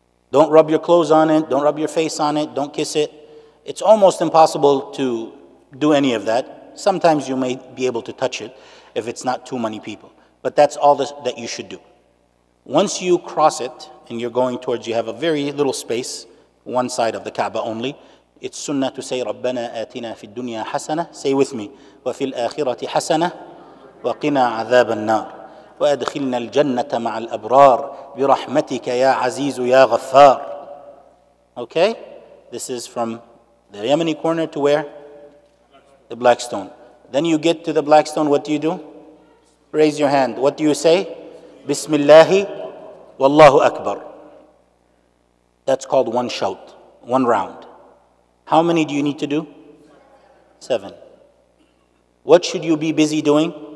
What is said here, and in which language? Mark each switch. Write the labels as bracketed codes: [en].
[en] Don't rub your clothes on it. Don't rub your face on it. Don't kiss it. It's almost impossible to do any of that. Sometimes you may be able to touch it if it's not too many people. But that's all that you should do. Once you cross it and you're going towards, you have a very little space, one side of the Kaaba only, it's sunnah to say, [ar] رَبَّنَا آتِنَا فِي الدُّنْيَا حَسَنَةً. [en] Say with me, [ar] وَفِي الْآخِرَةِ حَسَنَةً وَقِنَا عَذَابَ النَّارِ وَأَدْخِلْنَا الْجَنَّةَ مَعَ الْأَبْرَارِ بِرَحْمَتِكَ يَا عَزِيزُ يَا غَفَّارِ. [en] Okay? This is from the Yemeni corner to where? the black stone. Then you get to the black stone, what do? Raise your hand. What do you say? Bismillahi wallahu akbar. That's called one shout, one round. How many do you need to do? Seven. What should you be busy doing?